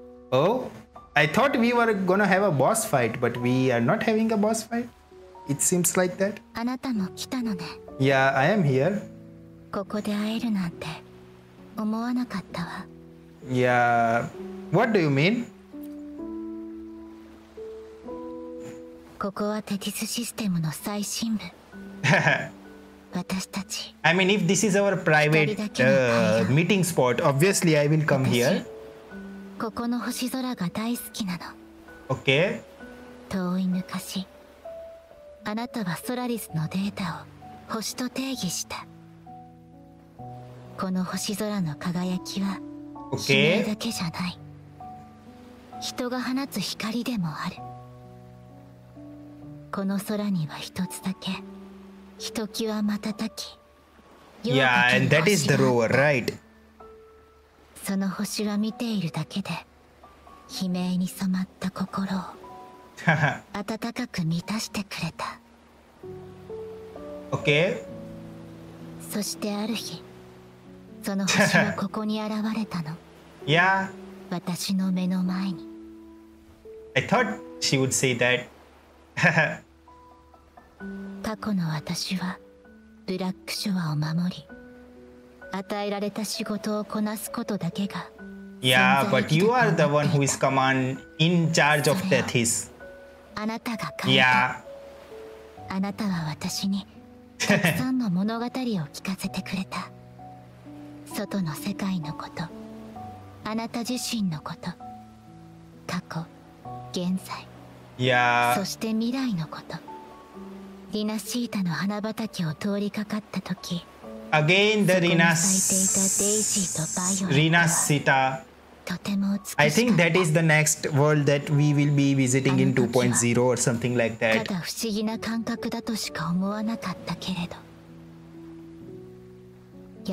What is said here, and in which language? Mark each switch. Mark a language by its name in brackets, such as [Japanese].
[English] Oh, I thought we were gonna have a boss fight, but we are not having a boss fight. It seems like that. [Japanese] Anata mo kita no ne. [English] Yeah, I am here. [Japanese] ここで会えるなんて思わなかったわ。 [English] いや、What do you mean? [Japanese] ここはテティスシステムの最深部。私たち。 [English] I mean, if this is our private meeting spot, obviously I will come here. [Japanese] ここの星空が大好きなの。 [English] Okay. [Japanese] 遠い昔、あなたはソラリスのデータを星と定義した。この星空の輝きは悲鳴だけじゃない、人が放つ光でもある。この空には一つだけひときわ瞬き、 [English] yeah, and that is the rover, right? [Japanese] その星は見ているだけで悲鳴に染まった心を温かく満たしてくれた。 [English] OK。 [Japanese] そしてある日、その星はここに現れたの。いや、私の目の前に。 [English] I thought she would say that. [Japanese] 過去の私はブラックショアを守り、与えられた仕事をこなすことだけが。 [English] いや、but you are the one who is command in charge of Tethys. [Japanese] あなたが変えた。いや、あなたは私にたくさんの物語を聞かせてくれた。外の世界のこと、あなた自身のこと、過去、現在、そして未来のこと。リナシータの花畑を通りかかったとき、 [English] Again, the Rina Sita. Rina Sita. I think that is the next world that we will be visiting in 2.0 or something like that. [Japanese] ただ不思議な感覚だとしか思わなかったけれど。